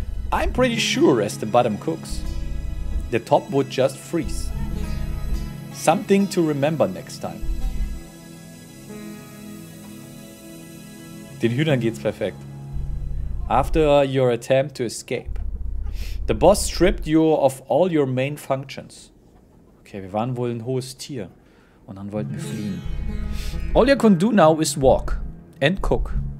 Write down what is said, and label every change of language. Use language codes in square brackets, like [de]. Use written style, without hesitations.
[en] I'm pretty sure as the bottom cooks, the top would just freeze. Something to remember next time. [de] Den Hühnern geht's perfekt. [en] After your attempt to escape, the boss stripped you of all your main functions. [de] Okay, wir waren wohl ein hohes Tier und dann wollten wir fliehen. [en] All you can do now is walk and cook.